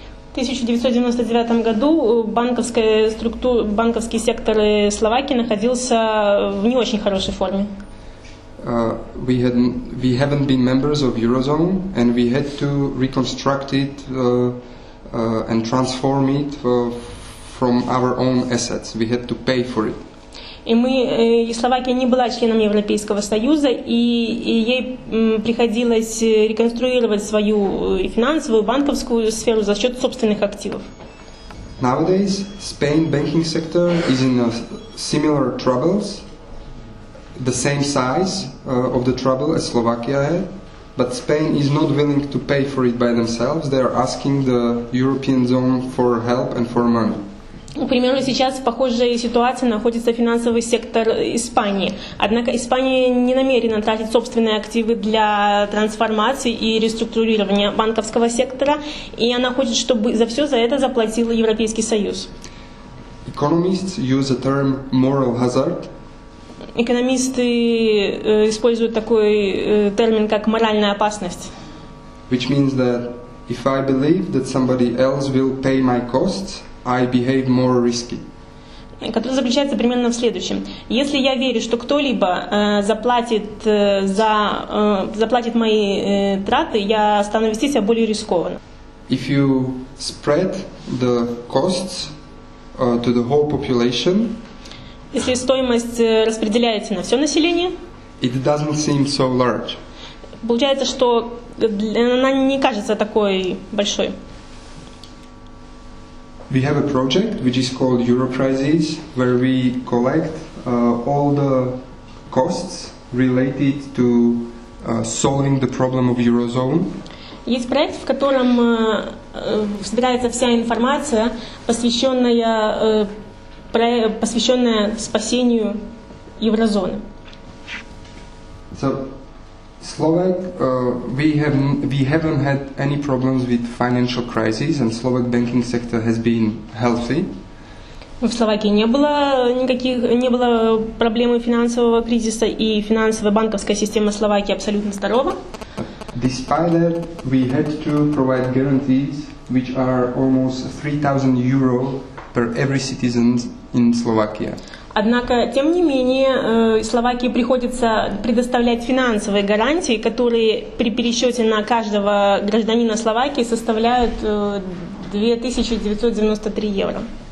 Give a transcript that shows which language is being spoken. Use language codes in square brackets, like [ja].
[ru] В 1999 году банковская структура, банковский сектор Словакии находился в не очень хорошей форме. [en] We haven't been members of Eurozone, and we had to reconstruct it and transform it from our own assets. We had to pay for it. [ru] И Словакия не была членом Европейского Союза, и ей приходилось реконструировать свою финансовую, банковскую сферу за счет собственных активов. [en] Nowadays, Spain banking sector is in similar troubles, the same size of the trouble as Slovakia had, but Spain is not willing to pay for it by themselves. They are asking the European zone for help and for money. [ru] К примеру, сейчас в похожей ситуации находится финансовый сектор Испании. Однако Испания не намерена тратить собственные активы для трансформации и реструктурирования банковского сектора, и она хочет, чтобы за все за это заплатил Европейский Союз. [en] Economists use the term moral hazard. [ru] Экономисты используют такой термин, как моральная опасность. [en] Which means that if I believe that somebody else will pay my costs, I behave more risky. [ru] Который заключается примерно в следующем. Если я верю, что кто-либо заплатит мои траты, я стану вести себя более рискованно. [en] If you spread the costs to the whole population, [ru] если стоимость распределяется на все население, [en] it doesn't seem so large. [ru] Получается, что она не кажется такой большой. [en] We have a project which is called Eurocrisis, where we collect all the costs related to solving the problem of Eurozone. [ru] Есть проект, в котором собирается вся информация, посвященная спасению еврозоны. [en] So, Slovak, we haven't had any problems with financial crisis, and Slovak banking sector has been healthy. [ru] В Словакии не было проблемы финансового кризиса, и финансовая банковская система Словакии абсолютно здорова. [en] Despite that, we had to provide guarantees, which are almost 3,000 euro per every citizen in Slovakia. [ru] Однако, тем не менее, Словакии приходится предоставлять финансовые гарантии, которые при пересчете на каждого гражданина Словакии составляют 2993 евро.